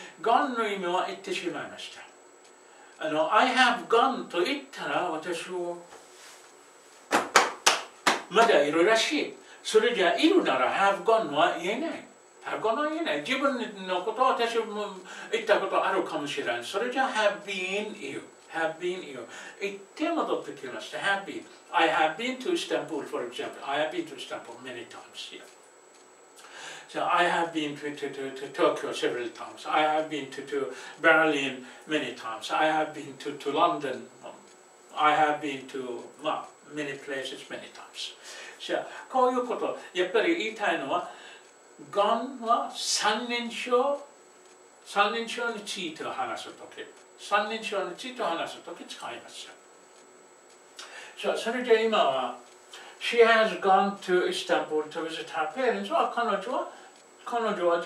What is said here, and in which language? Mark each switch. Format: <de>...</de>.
<ja>gone の意味は言ってしまいました。</ja> <en>I have gone</en> <ja>と言ったら私はまだいるらしい。それじゃいるなら have gone は言えない。have gone は言えない。自分のことは私も言ったことあるかもしれない。それじゃ have been you。have been you。行って戻ってきました。</ja> <en>have been。 I have been to Istanbul, for example. I have been to Istanbul many times here. So I have been to Tokyo several times. I have been to Berlin many times. I have been to London. I have been to many places many times.</en> <ja>じゃあこういうこと、やっぱり言いたいのは、gone は三人称について話すとき、三人称について話すとき使います。</ja> <en>So,</en> <ja>それじゃあ今は、</ja> <en>She has gone to Istanbul to visit her parents</en> <ja>は、彼女は</ja>